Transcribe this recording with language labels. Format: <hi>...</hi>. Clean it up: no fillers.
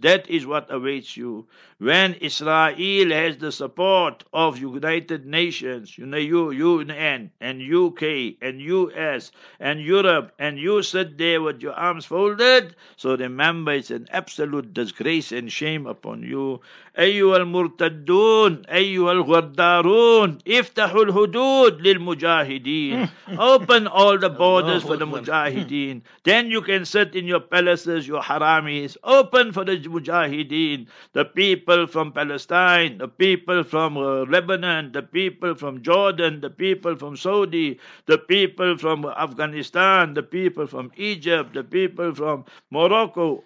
<en>That is what awaits you. When Israel has the support of United Nations, you know, UN and UK and US and Europe, and you sit there with your arms folded, so remember, it's an absolute disgrace and shame upon you.</en> <ar>أيها المرتدون أيها الغدارون افتحوا الهدود للمجاهدين.</ar> <en>Open all the borders for the mujahideen. Then you can sit in your palaces, your haramis. Open for the mujahideen, the people from Palestine, the people from Lebanon, the people from Jordan, the people from Saudi, the people from Afghanistan, the people from Egypt, the people from Morocco.</en>